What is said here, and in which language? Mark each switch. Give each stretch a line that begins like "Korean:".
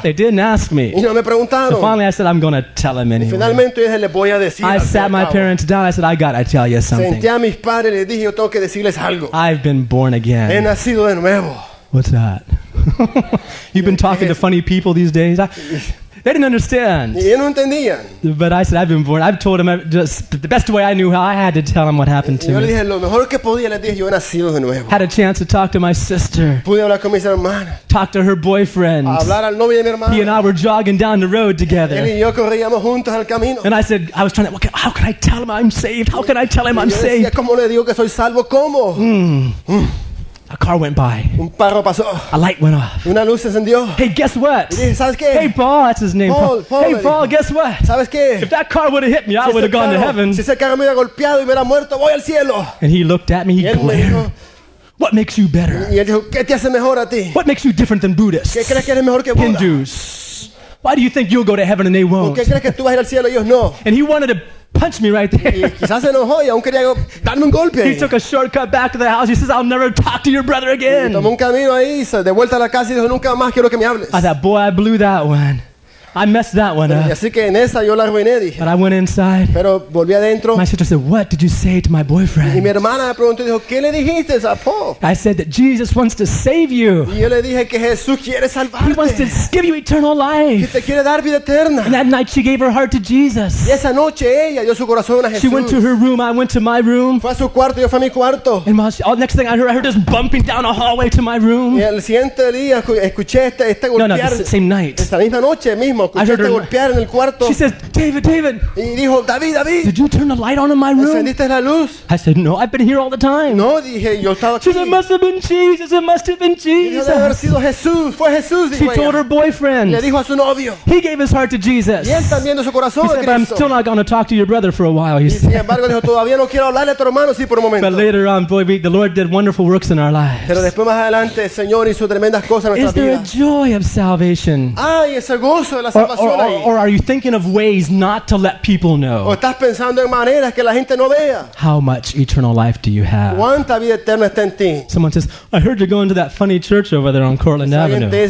English: They didn't ask me.
Spanish: Y no me preguntaron.
English: So finally I said, I'm going to tell him anyway.
Spanish: Finalmente dije, le voy a decir.
English: I sat my parents down. I said, I got to tell you something.
Spanish: Senté a mis padres, les dije, yo tengo que decirles algo.
English: I've been born again.
Spanish: He nacido de nuevo.
English: What's that? You've been talking to funny people these days. They didn't understand.
Spanish: Y no entendían.
English: But I said, I've been born. I've told them just the best way I knew how. I had to tell them what happened to
Spanish: yo
English: me.
Spanish: Dije, lo mejor que podía, les dije, yo he nacido de nuevo.
English: Had a chance to talk to my sister.
Spanish: Pude hablar con mis hermanas.
English: Talk to her boyfriend.
Spanish: A hablar al novio de mi hermana.
English: He and I were jogging down the road together.
Spanish: Él y yo corríamos juntos al camino.
English: And I said, I was trying to, okay, how can I tell him I'm saved? How can I tell him
Spanish: yo
English: I'm
Spanish: decía,
English: saved?
Spanish: ¿Cómo le digo que soy salvo? ¿Cómo?
English: A car went by.
Spanish: Un perro pasó.
English: A light went off.
Spanish: Una luz se encendió.
English: Hey, guess what?
Spanish: Dije, ¿sabes qué?
English: Hey, Paul, that's his name. Paul. Hey, Paul, guess what?
Spanish: ¿Sabes qué?
English: If that car would have hit me, I would have gone to heaven.
Spanish: Si ese carro me hubiera golpeado y me hubiera muerto, voy al cielo.
English: And he looked at me, he glared. What makes you better?
Spanish: Y él dijo, ¿qué te hace mejor a ti?
English: What makes you different than Buddhists?
Spanish: ¿Qué crees que eres mejor que Buda?
English: Hindus. Why do you think you'll go to heaven and they won't?
Spanish: ¿Qué crees que tú vas al cielo y ellos no?
English: And he wanted to punch me right there. He took a shortcut back to the house. He says, I'll never talk to your brother again. I thought, boy, I blew that one. I messed that one up.
Spanish: Así que en esa yo la arruiné, dije.
English: But I went inside.
Spanish: Pero volví adentro.
English: My sister said, what did you say to my boyfriend?
Spanish: Y mi hermana me preguntó, dijo, ¿qué le dijiste a Paul?
English: I said that Jesus wants to save you.
Spanish: Y yo le dije que Jesús quiere salvarte.
English: He wants to give you eternal life.
Spanish: Que te quiere dar vida eterna.
English: And that night she gave her heart to Jesus.
Spanish: Y esa noche ella dio su corazón a Jesús.
English: She went to her room, I went to my room.
Spanish: Fue a su cuarto, yo fui a mi cuarto.
English: And while she, next thing I heard just bumping down a hallway to my room.
Spanish: Y el siguiente día escuché este golpear.
English: No, the same night.
Spanish: Esta misma noche mismo.
English: I heard her
Spanish: golpear en el cuarto.
English: She says, David.
Spanish: Y dijo, David.
English: Did you turn the light on in my room?
Spanish: ¿Encendiste la luz?
English: I said, no, I've been here all the time.
Spanish: No, dije, yo estaba aquí.
English: She said, it must have been Jesus.
Spanish: Y dijo, haber sido Jesús. Fue Jesús, dijo ella.
English: Told her boyfriend.
Spanish: Le dijo a su novio.
English: He gave his heart to Jesus.
Spanish: Y él también dio su corazón
English: he said,
Spanish: a Cristo.
English: But I'm still not going to talk to your brother for a while. He said.
Spanish: Y sin embargo, dijo, todavía no quiero hablarle a tu hermano, sí, por un momento.
English: But later on, boy, the Lord did wonderful works in our lives.
Spanish: Pero después más adelante, el Señor hizo tremendas cosas en nuestra vida.
English: Is there a joy of salvation?
Spanish: Ay, ese gozo.
English: Or are you thinking of ways not to let people know?
Spanish: ¿O estás pensando en maneras que la gente no vea?
English: How much eternal life do you have?
Spanish: ¿Cuánta vida eterna está en ti?
English: Someone says, I heard you're going to that funny church over there on Cortland Avenue.